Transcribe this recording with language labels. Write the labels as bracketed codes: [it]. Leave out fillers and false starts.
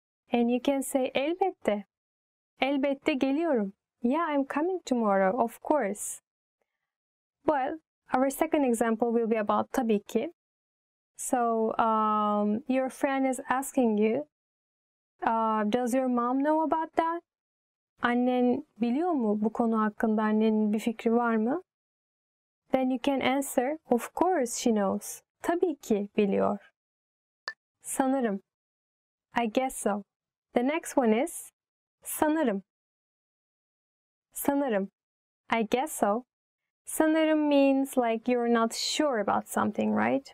[en] And you can say, [tr] elbette. Elbette geliyorum. [en] Yeah, I'm coming tomorrow, of course. Well, our second example will be about tabii ki. So, your friend is asking you, does your mom know about that? [tr] Annen biliyor mu bu konu hakkında, annenin bir fikri var mı? [en] Then you can answer, of course she knows. [tr] Tabii ki biliyor. Sanırım. [en] I guess so. The next one is, [tr] sanırım. Sanırım. [en] I guess so. Sanırım means like you're not sure about something, right?